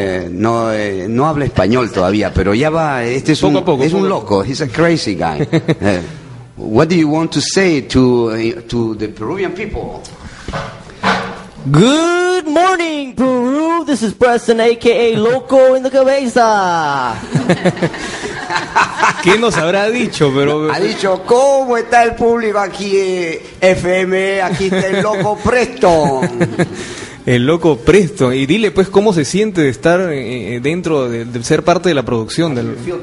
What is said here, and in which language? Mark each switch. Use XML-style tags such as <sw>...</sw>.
<es>No habla español todavía, pero ya va. Este es un loco.</es> <en>He's a crazy guy. What do you want to say to the Peruvian people? Good morning, Peru. This is Preston, aka Loco in the Cabeza.</en> <es>¿Qué nos habrá dicho? Pero ha dicho, ¿cómo está el público aquí? FM, aquí está el loco Presto. El loco Presto, y dile pues cómo se siente de estar dentro de ser parte de la producción del</es>